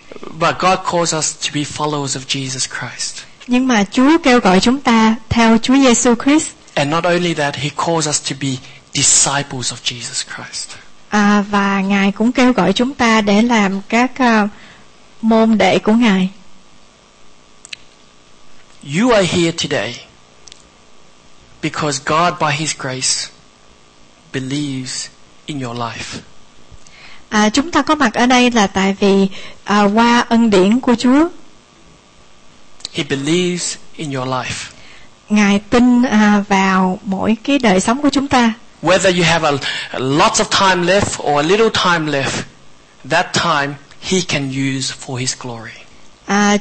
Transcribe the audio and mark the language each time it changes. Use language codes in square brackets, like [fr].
[en] But God calls us to be followers of Jesus Christ. [vi] Nhưng mà Chúa kêu gọi chúng ta theo Chúa Giêsu Christ. [en] And not only that, He calls us to be disciples of Jesus Christ. [vi] Và Ngài cũng kêu gọi chúng ta để làm các môn đệ của Ngài. [en] You are here today because God, by His grace, believes in your life. [vi] Chúng ta có mặt ở đây là tại vì qua ân điển của Chúa. [en] He believes in your life. [vi] Ngài tin vào mỗi cái đời sống của chúng ta. [en] Whether you have a lots of time left or a little time left, that time He can use for His glory.